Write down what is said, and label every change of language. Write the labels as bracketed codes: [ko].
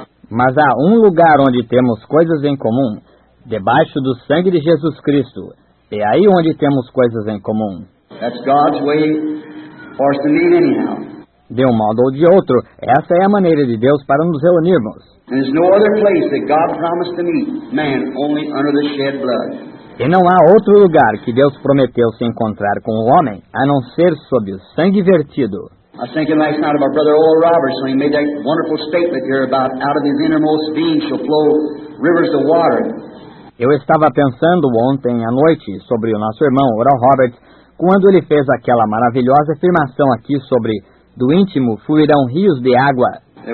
[pt] Mas há um lugar onde temos coisas em comum, debaixo do sangue de Jesus Cristo. É aí onde temos coisas em comum. [en] That's God's way for us to meet anyhow. [pt] De um modo ou de outro, essa é a maneira de Deus para nos reunirmos. [en] There's no other place that God promised to meet man only under the shed blood. [pt] E não há outro lugar que Deus prometeu se encontrar com o homem a não ser sob o sangue vertido. [en] I was thinking last night of our brother Oral Roberts when he made that wonderful statement here about out of his innermost being shall flow rivers of water. [pt] Eu estava pensando ontem à noite sobre o nosso irmão Oral Roberts. Quando ele fez aquela maravilhosa afirmação aqui sobre do íntimo fluirão rios de água.